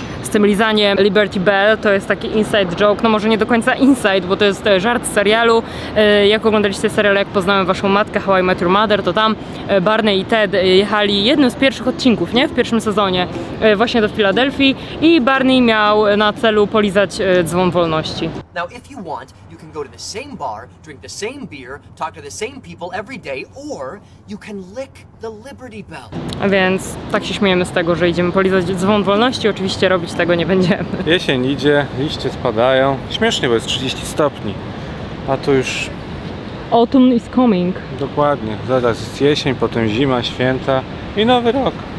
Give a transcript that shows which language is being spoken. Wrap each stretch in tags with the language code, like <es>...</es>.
<pl>Z tym lizaniem Liberty Bell, to jest taki inside joke, no może nie do końca inside, bo to jest żart z serialu. Jak oglądaliście serial, jak poznałem waszą matkę, How I Met Your Mother, to tam Barney i Ted jechali jednym z pierwszych odcinków, nie? W pierwszym sezonie właśnie do Filadelfii i Barney miał na celu polizać dzwon wolności.</pl> <en>Now if you want, you can go to the same bar, drink the same beer, talk to the same people every day, or you can lick the Liberty Bell.</en> <pl>A więc tak się śmiejemy z tego, że idziemy polizać dzwon wolności, oczywiście robić tego nie będziemy. Jesień idzie, liście spadają. Śmiesznie, bo jest 30 stopni. A tu już</pl> <en>autumn is coming.</en> <pl>Dokładnie. Zaraz jest jesień, potem zima, święta i nowy rok.</pl>